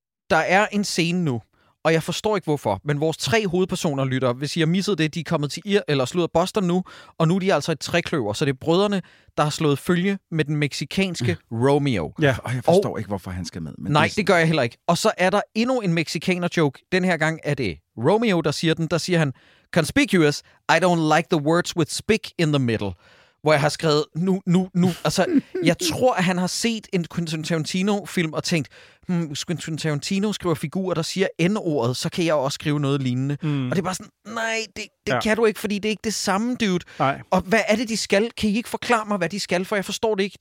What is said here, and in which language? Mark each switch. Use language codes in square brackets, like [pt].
[da] Der er en scene nu, og jeg forstår ikke hvorfor, men vores tre hovedpersoner lytter. Hvis I har misset det, de er kommet til eller slået Boston nu, og nu er de altså et trekløver. Så det er brødrene, der har slået følge med den meksikanske Romeo. Ja, og jeg forstår ikke, hvorfor han skal med. Men nej, det gør jeg heller ikke. Og så er der endnu en mexikaner-joke. Den her gang er det Romeo, der siger den. Der siger han, [en] conspicuous, I don't like the words with speak in the middle. [da] Hvor jeg har skrevet, nu. Altså, jeg tror, at han har set en Quentin Tarantino-film og tænkt, hvis Quentin Tarantino skriver figurer, der siger N-ordet, så kan jeg også skrive noget lignende. Mm. Og det er bare sådan, nej, det kan du ikke, fordi det er ikke det samme, dude. Nej. Og hvad er det, de skal? Kan I ikke forklare mig, hvad de skal? For jeg forstår det ikke.